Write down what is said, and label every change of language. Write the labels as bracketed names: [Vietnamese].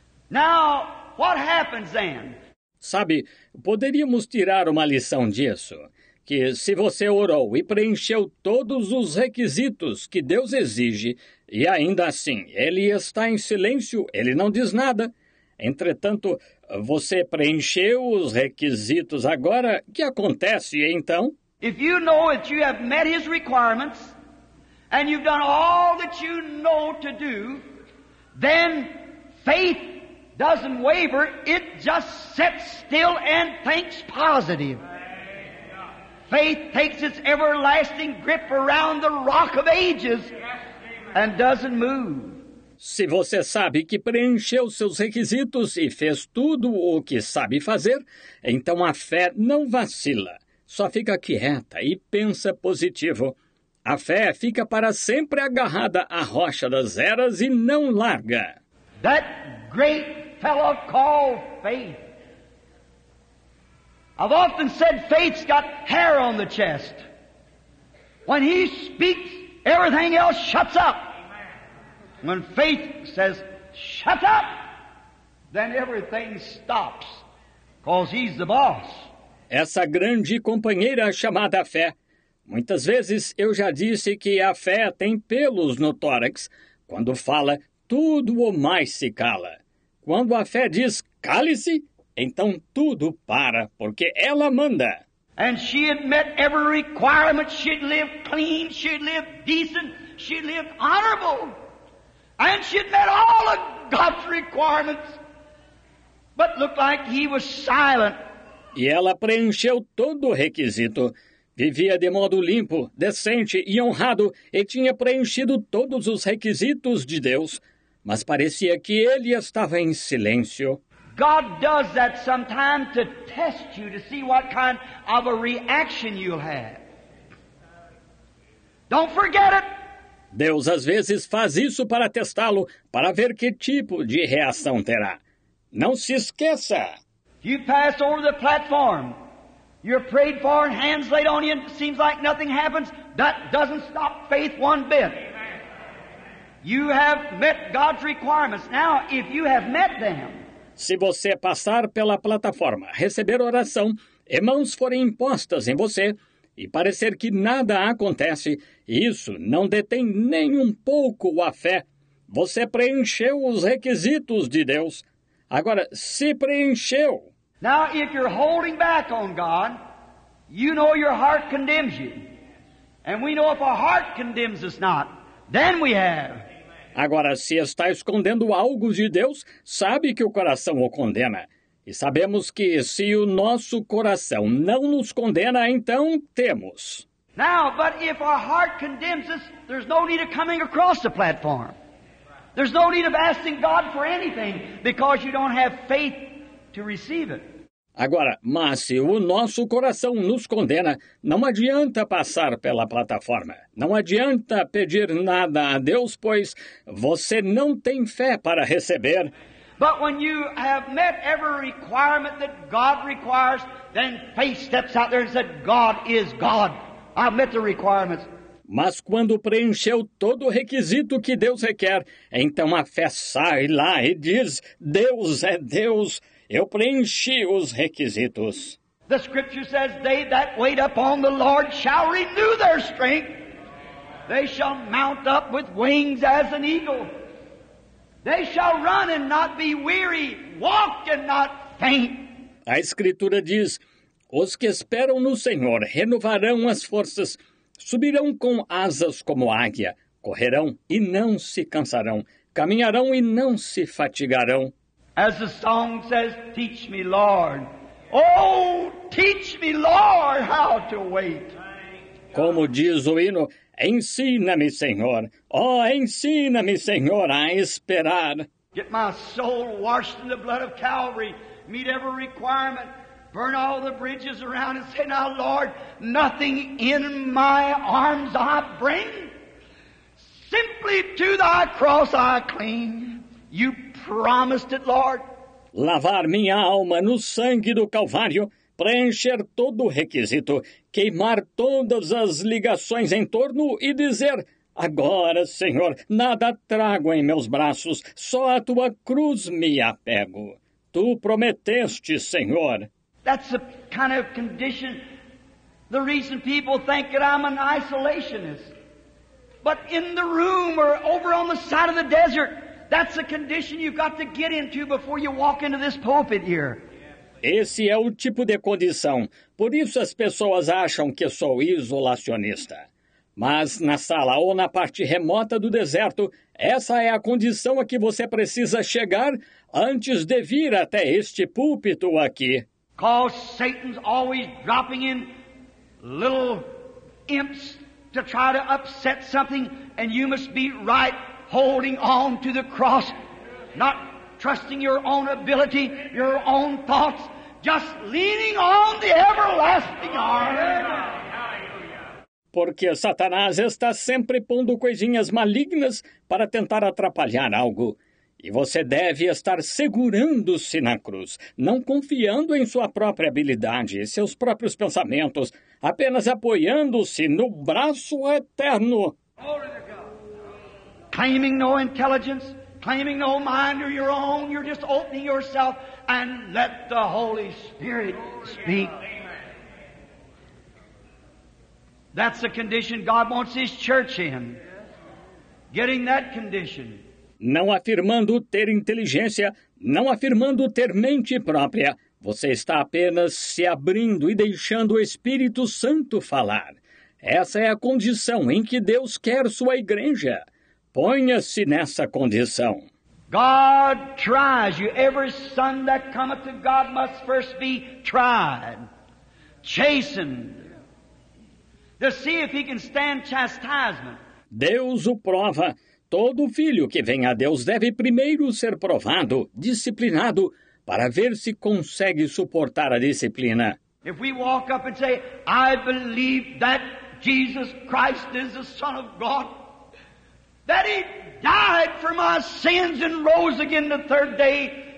[English] Now, what happens then? [Portuguese] Sabe, poderíamos tirar uma lição disso, que se você orou e preencheu todos os requisitos que Deus exige, e ainda assim ele está em silêncio, ele não diz nada. Entretanto, você preencheu os requisitos agora, o que acontece então? [English] If you know that you have met his requirements, and you've done all that you know to do, then faith doesn't waver, it just sits still and thinks positive. Faith takes its everlasting grip around the rock of ages and doesn't move. [Portuguese] Se você sabe que preencheu seus requisitos e fez tudo o que sabe fazer, então a fé não vacila, só fica quieta e pensa positivo. A fé fica para sempre agarrada à rocha das eras e não larga. [English] That great fellow called faith. I've often said faith's got hair on the chest. When he speaks, everything else shuts up. When faith says, shut up, then everything stops, because he's the boss. [Portuguese] Essa grande companheira chamada fé. Muitas vezes eu já disse que a fé tem pelos no tórax. Quando fala, tudo o mais se cala. Quando a fé diz, cale-se, então tudo para, porque ela manda. [English] And she had met every requirement. She'd live clean, she'd live decent, she'd live honorable. And she'd met all of God's requirements. But looked like he was silent. [Portuguese] E ela preencheu todo o requisito. Vivia de modo limpo, decente e honrado, e tinha preenchido todos os requisitos de Deus. Mas parecia que ele estava em silêncio. [English] God does that sometimes to test you, to see what kind of a reaction you'll have. Don't forget it! [Portuguese] Deus às vezes faz isso para testá-lo, para ver que tipo de reação terá. Não se esqueça! [English] You pass over the platform. You're prayed for and hands laid on you. Seems like nothing happens. That doesn't stop faith one bit. You have met God's requirements. Now, if you have met them, [Portuguese] se você passar pela plataforma, receber oração, e mãos forem impostas em você, e parecer que nada acontece, isso não detém nem um pouco a fé. Você preencheu os requisitos de Deus. Agora, se preencheu. [English] Now, if you're holding back on God, you know your heart condemns you. And we know if our heart condemns us not, then we have. [Portuguese] Agora, se está escondendo algo de Deus, sabe que o coração o condena. E sabemos que se o nosso coração não nos condena, então temos. [English] Now, but if our heart condemns us, there's no need of coming across the platform. There's no need of asking God for anything because you don't have faith to receive it. [Portuguese] Agora, mas se o nosso coração nos condena, não adianta passar pela plataforma. Não adianta pedir nada a Deus, pois você não tem fé para receber. [English] But when you have met every requirement that God requires, then faith steps out there and says, God is God. I've met the requirements. [Portuguese] Mas quando preencheu todo o requisito que Deus requer, então a fé sai lá e diz, Deus é Deus, eu preenchi os requisitos. [English] The scripture says, they that wait upon the Lord shall renew their strength. They shall mount up with wings as an eagle. They shall run and not be weary, walk and not faint. [Portuguese] A escritura diz, os que esperam no Senhor renovarão as forças, subirão com asas como águia, correrão e não se cansarão, caminharão e não se fatigarão. [English] As the song says, teach me, Lord. Oh, teach me, Lord, how to wait. [Portuguese] Como diz o hino, ensina-me, Senhor. Oh, ensina-me, Senhor, a esperar. [English] Get my soul washed in the blood of Calvary. Meet every requirement. Burn all the bridges around and say, now, Lord, nothing in my arms I bring. Simply to thy cross I cling. You promised it, Lord. [Portuguese] Lavar minha alma no sangue do Calvário, preencher todo o requisito, queimar todas as ligações em torno e dizer, agora, Senhor, nada trago em meus braços, só a tua cruz me apego. Tu prometeste, Senhor. [English] That's the kind of condition, the reason people think that I'm an isolationist. But in the room or over on the side of the desert, that's the condition you've got to get into before you walk into this pulpit here. [Portuguese] Esse é o tipo de condição. Por isso as pessoas acham que sou isolacionista. Mas na sala ou na parte remota do deserto, essa é a condição a que você precisa chegar antes de vir até este púlpito aqui. [English] Because Satan's always dropping in little imps to try to upset something, and you must be right holding on to the cross, not trusting your own ability, your own thoughts, just leaning on the everlasting arm. [Portuguese] Porque Satanás está sempre pondo coisinhas malignas para tentar atrapalhar algo. E você deve estar segurando-se na cruz, não confiando em sua própria habilidade, seus próprios pensamentos, apenas apoiando-se no braço eterno. [English] Claiming no intelligence, claiming no mind of your own, you're just opening yourself and let the Holy Spirit speak. That's the condition God wants His church in. Getting that condition. [Portuguese] Não afirmando ter inteligência, não afirmando ter mente própria. Você está apenas se abrindo e deixando o Espírito Santo falar. Essa é a condição em que Deus quer sua igreja. Ponha-se nessa condição. [English] God tries you. Every son that cometh to God must first be tried, chastened, to see if he can stand chastisement. [Portuguese] Deus o prova. Todo filho que vem a Deus deve primeiro ser provado, disciplinado, para ver se consegue suportar a disciplina. [English] If we walk up and say, I believe that Jesus Christ is the Son of God, that He died for my sins and rose again the third day.